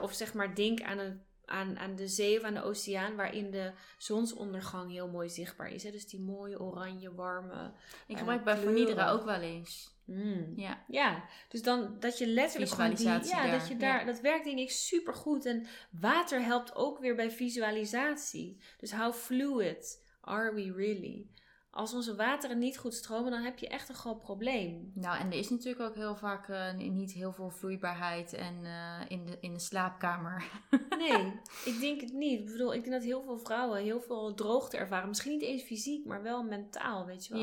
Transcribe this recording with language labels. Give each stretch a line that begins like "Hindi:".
Dutch: Of zeg maar, denk aan de zee of aan de oceaan, waarin de zonsondergang heel mooi zichtbaar is. Hè? Dus die mooie oranje, warme. Ik gebruik bij vernieuwen ook wel eens. Ja, dus dan dat je letterlijk dat werkt denk ik super goed. En water helpt ook weer bij visualisatie. Dus
English: how fluid are we really?
Dutch: Als onze wateren niet goed stromen, dan heb je echt een groot probleem. Nou, en er is natuurlijk ook heel vaak niet heel veel vloeibaarheid en in de slaapkamer. Nee, ik denk het niet. Ik bedoel, ik denk dat heel veel vrouwen heel veel droogte ervaren. Misschien niet eens fysiek, maar wel mentaal, weet je wel.